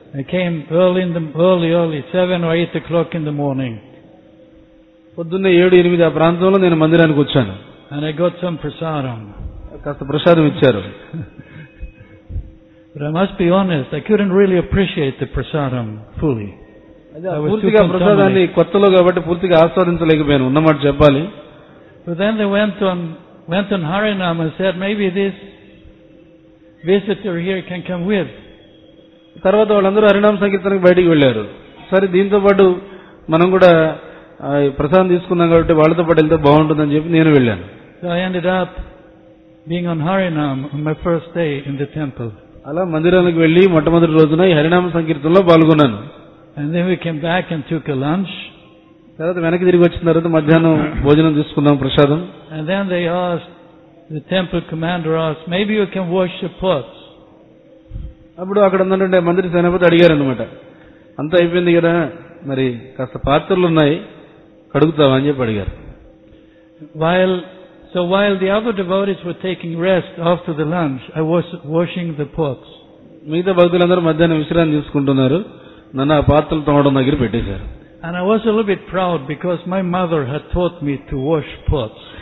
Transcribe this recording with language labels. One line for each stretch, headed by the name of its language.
English: I came early 7 or 8 o'clock in the morning.
Telugu: పొద్దున్న 7-8 ఆ ప్రాంతంలో నేను మందిరానికి వచ్చాను.
English: And I got some prasadam.
Telugu: కాస్త ప్రసాదం ఇచ్చారు.
English: But I must be honest, I couldn't really appreciate the prasadam fully.
Telugu: పూర్తిగా ప్రసాదాన్ని కొత్తలో కాబట్టి పూర్తిగా ఆస్వాదించలేకపోయాను, ఉన్నమాట చెప్పాలి.
English: But then they went on Harinam and said, maybe this visitor here can come with.
Telugu: తర్వాత వాళ్ళందరూ హరినామ సంకీర్తనకు బయటికి వెళ్లారు. సరే దీంతో పాటు మనం కూడా ప్రసాదం తీసుకున్నాం కాబట్టి వాళ్ళతో పాటు వెళ్తే బాగుంటుందని చెప్పి నేను వెళ్ళాను.
English: So I ended up being on Harinam on my first day in the temple.
Telugu: అలా మందిరానికి వెళ్లి మొట్టమొదటి రోజున ఈ హరినామ సంకీర్తనలో పాల్గొన్నాను.
English: And then we came back and took a lunch.
Telugu: తర్వాత వెనక్కి తిరిగి వచ్చిన తర్వాత మధ్యాహ్నం భోజనం తీసుకున్నాం ప్రసాదం.
English: And then they asked, the temple commander asked, maybe you can wash the pots.
Telugu: అప్పుడు అక్కడ ఉందంటే మందిరి సేనాపతి అడిగారనమాట, అంతా అయిపోయింది కదా మరి కాస్త పాత్రలు ఉన్నాయి కడుగుతావా అని చెప్పి అడిగారు.
English: While the other devotees were taking rest after the lunch, I was washing the pots.
Telugu: మిగతా భక్తులందరూ మధ్యాహ్నం విశ్రాంతి తీసుకుంటున్నారు, నన్ను ఆ పాత్రలు తోమడం దగ్గర పెట్టేశారు.
English: And I was a little bit proud because my mother had taught me to wash pots.